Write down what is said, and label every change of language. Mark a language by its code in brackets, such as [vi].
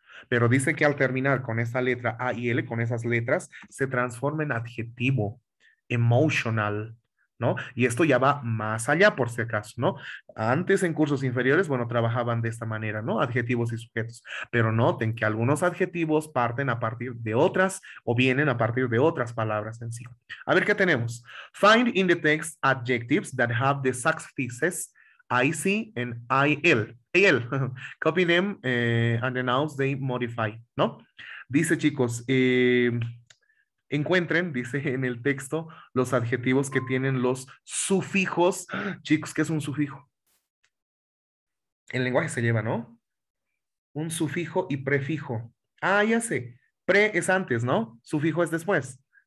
[es] Pero dice que al terminar con esa letra A y L, con esas letras, se transforma en adjetivo, emotional, ¿no? Y esto ya va más allá, por si acaso, ¿no? Antes en cursos inferiores, bueno, trabajaban de esta manera, ¿no? Adjetivos y sujetos. Pero noten que algunos adjetivos parten a partir de otras o vienen a partir de otras palabras en sí. A ver, ¿qué tenemos? [en] Find in the text adjectives that have the suffixes IC and IL. AL. Copy them and announce they modify, ¿no? [es] Dice, chicos, encuentren, dice en el texto, los adjetivos que tienen los sufijos. Chicos, ¿qué es un sufijo? El lenguaje se lleva, ¿no? Un sufijo y prefijo. Ah, ya sé. Pre es antes, ¿no? Sufijo es después.